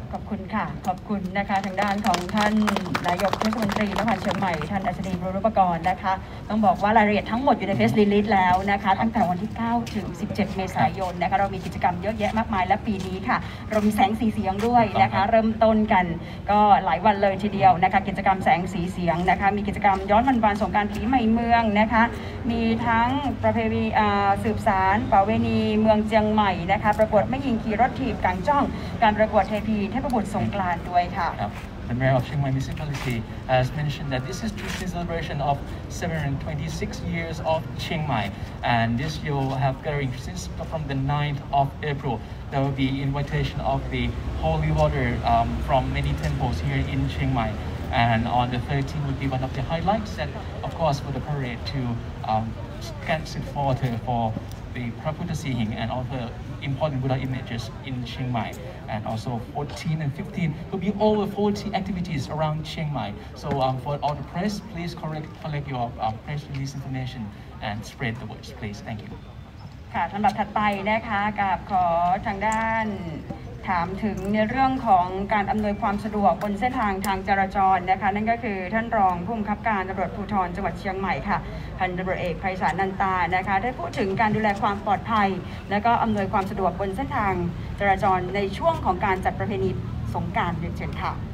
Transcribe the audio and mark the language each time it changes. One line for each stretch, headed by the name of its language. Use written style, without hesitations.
Thai: ขอบคุณค่ะขอบคุณนะคะทางด้านของท่านนายกเทศมนตรีนครเชียงใหม่ท่านอัศดีบรรพกรนะคะต้องบอกว่ารายละเอียดทั้งหมดอยู่ในเฟซรีลีสแล้วนะคะตั้งแต่วันที่9ถึง17เมษายนนะคะเรามีกิจกรรมเยอะแยะมากมายและปีนี้ค่ะเรามีแสงสีเสียงด้วยนะคะเริ่มต้นกันก็หลายวันเลยทีเดียวนะคะกิจกรรมแสงสีเสียงนะคะมีกิจกรรมย้อนวันวานสงกรานต์ปีใหม่เมืองนะคะ มีทั้งประเพณีสืบสารประเวณีเมืองเชียงใหม่นะคะประกวดแม่หญิงขี่รถถีบกลางจ้องการประกวดเทพีเทพบุตรสงกรานต์ด้วยค่ะ
English: The mayor of Chiang Mai Municipality has mentioned that this is just a celebration of 726 years of Chiang Mai, and this year we'll have gathering since from the 9th of April. There will be invitation of the holy water from many temples here in Chiang Mai, and on the 13th will be one of the highlights. That of course for the parade to catch the water for the Prabhupada Sihing and other important Buddha images in Chiang Mai. And also 14 and 15 will be over 40 activities around Chiang Mai. So for all the press, please collect your press release information and spread the words, please. Thank you.
Thai: ค่ะลำดับถัดไปนะคะกับขอทางด้านถามถึงในเรื่องของการอำนวยความสะดวกบนเส้นทางจราจรนะคะนั่นก็คือท่านรองผู้บังคับการตำรวจภูธรจังหวัดเชียงใหม่ค่ะพันตำรวจเอกไพศาลนันตานะคะได้พูดถึงการดูแลความปลอดภัยและก็อำนวยความสะดวกบนเส้นทางจราจรในช่วงของการจัดประเพณีสงกรานต์เชิญค่ะ